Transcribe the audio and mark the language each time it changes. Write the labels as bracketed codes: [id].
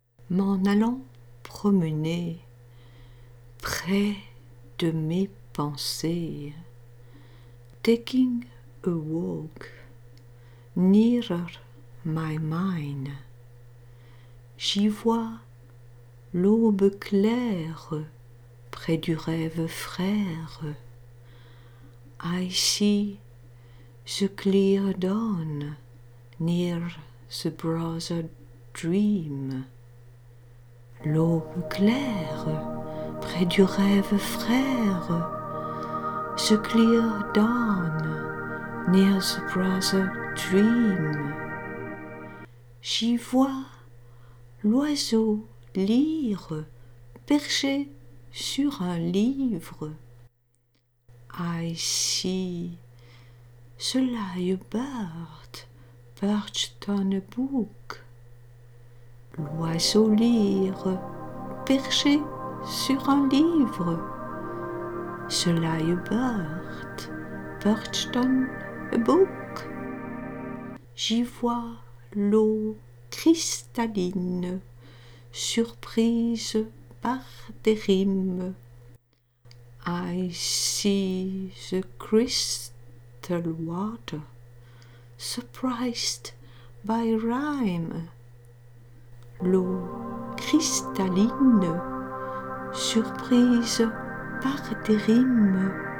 [fr] M'en allant promener près de mes pensées, [en] taking a walk nearer my mind. [fr] J'y vois l'aube claire près du rêve frère. [en] I see the clear dawn near the brother dream. [fr] L'aube claire près du rêve frère. [en] The clear dawn near the brother dream. [fr] J'y vois l'oiseau lire perché sur un livre. [en] I see the lyre bird perched on a book. [fr] L'oiseau lyre perché sur un livre. [en] The lyre bird perched on a book. [fr] J'y vois l'eau cristalline surprise par des rimes. [en] I see the crystal water surprised by rhyme. [fr] L'eau cristalline surprise par des rimes.